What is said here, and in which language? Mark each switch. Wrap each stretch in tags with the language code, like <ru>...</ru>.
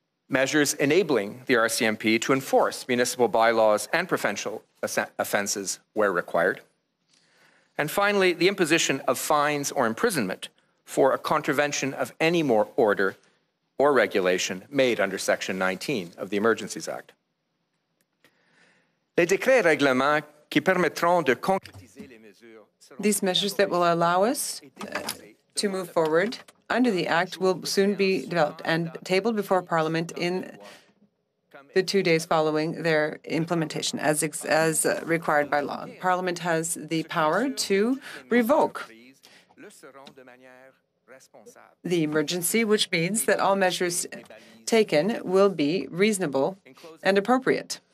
<en>Measures enabling the RCMP to enforce municipal bylaws and provincial offences where required. And finally, the imposition of fines or imprisonment for a contravention of any more order or regulation made under Section 19 of the Emergencies Act.</en> <fr>Les décrets règlements qui permettront de concrétiser les mesures.</fr> <en>These measures that will allow us to move forward under the Act will soon be developed and tabled before Parliament in the 2 days following their implementation, as required by law. Parliament has the power to revoke the emergency, which means that all measures taken will be reasonable and appropriate.</en>